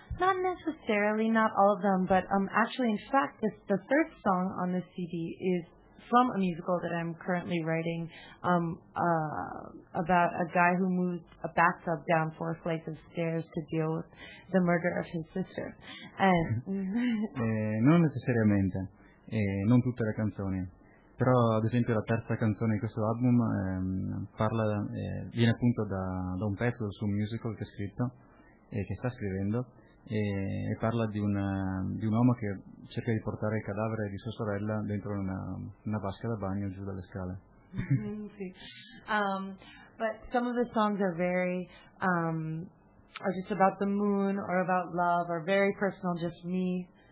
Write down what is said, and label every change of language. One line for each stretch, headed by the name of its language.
English: Not necessarily, not all of them, but actually, in fact, the third song on the CD is from a musical that I'm currently writing about a guy who moves a bathtub down 4 flights of stairs to deal with the murder of his sister. And
Italian: non necessariamente, non tutte le canzoni, però ad esempio la terza canzone di questo album viene appunto da un pezzo su un musical che ha scritto e che sta scrivendo, e parla di un uomo che cerca di portare il cadavere di sua sorella dentro una vasca da bagno giù dalle scale. Sì.
English: But some of the songs are very are just about the moon or about love or very personal, just me.